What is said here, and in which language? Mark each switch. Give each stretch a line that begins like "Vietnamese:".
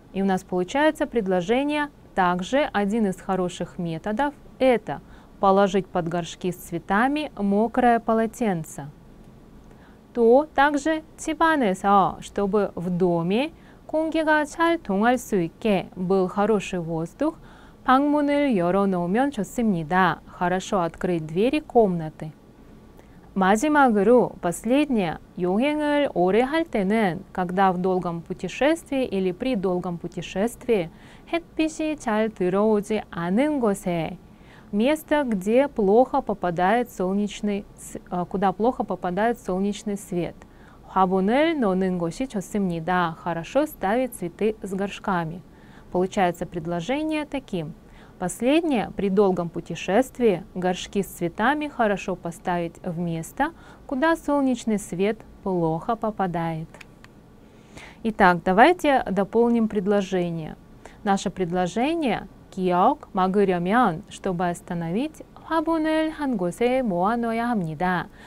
Russian: И у нас получается предложение. Также один из хороших методов это положить под горшки с цветами мокрое полотенце. То также
Korean: 집안에서
Russian: чтобы в доме
Korean: 공기가 잘 통할 수 있게
Russian: был хороший воздух.
Korean: 방문을 열어놓으면 좋습니다.
Russian: Хорошо открыть двери комнаты.
Korean: 마지막으로,
Russian: последнее,
Korean: 여행을 오래 할 때는,
Russian: когда в долгом путешествии или при долгом путешествии,
Korean: 햇빛이 잘 들어오지 않은 곳에,
Russian: место, где плохо попадает солнечный свет.
Korean: 화분을 넣는 곳이 좋습니다.
Russian: Хорошо ставить цветы с горшками. Получается предложение таким. Последнее, при долгом путешествии, горшки с цветами хорошо поставить в место, куда солнечный свет плохо попадает. Итак, давайте дополним предложение. Наше предложение Киок магырьомян, чтобы остановить хабунель хангосе моаноя хамнида.